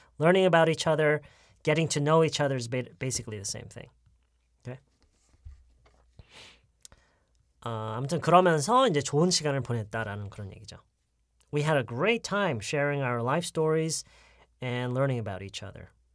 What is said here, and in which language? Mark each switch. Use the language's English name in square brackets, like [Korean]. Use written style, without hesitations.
[English] Learning about each other, getting to know each other is basically the same thing. Okay? [Korean] 아무튼 그러면서 이제 좋은 시간을 보냈다라는 그런 얘기죠. [English] We had a great time sharing our life stories and learning about each other.